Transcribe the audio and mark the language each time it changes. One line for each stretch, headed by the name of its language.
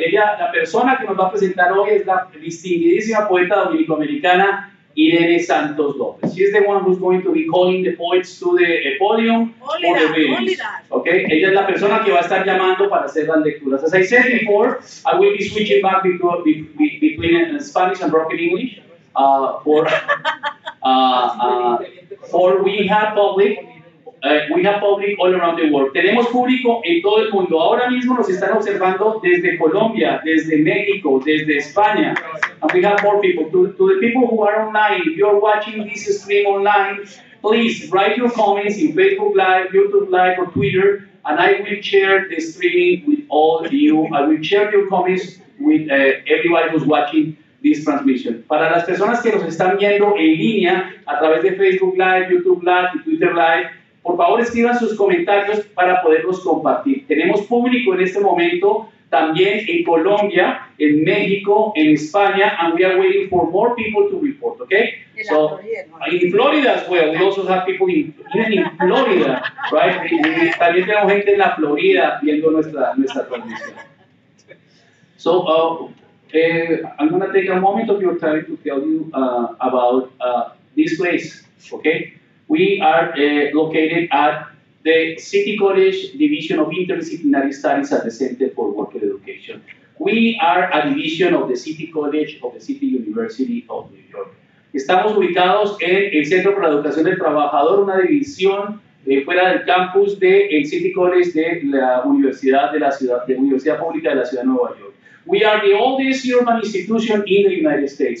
Spanish: Ella, la persona que nos va a presentar hoy es la distinguidísima poeta dominicoamericana Irene Santos López.
English: She is the one who's going to be calling the poets to the podium for the readings. Okay?
Spanish: Ella es la persona que va a estar llamando para hacer las lecturas.
English: As I said before, I will be switching back between Spanish and broken English for we have public all around the world.
Spanish: Tenemos público en todo el mundo. Ahora mismo nos están observando desde Colombia, desde México, desde España.
English: And we have more people. To the people who are online, if you're watching this stream online, please write your comments in Facebook Live, YouTube Live, or Twitter, and I will share the streaming with all of you. I will share your comments with everybody who's watching this transmission.
Spanish: Para las personas que nos están viendo en línea, a través de Facebook Live, YouTube Live, y Twitter Live, por favor, escriban sus comentarios para poderlos compartir. Tenemos público en este momento también en Colombia, en México, en España, and we are waiting for more people to report, okay?
English: So, in Florida as well, we also have people in Florida, right?
Spanish: También tenemos gente en la Florida viendo nuestra transmisión.
English: So, I'm going to take a moment of your time to tell you about this place, okay? We are located at the City College Division of Interdisciplinary Studies at the Center for Worker Education. We are a division of the City College of the City University of New York.
Spanish: Estamos ubicados en el Centro para la Educación del Trabajador, una división fuera del campus del City College de la Universidad de la Ciudad, de la Universidad Pública de la Ciudad de Nueva York.
English: We are the oldest urban institution in the United States.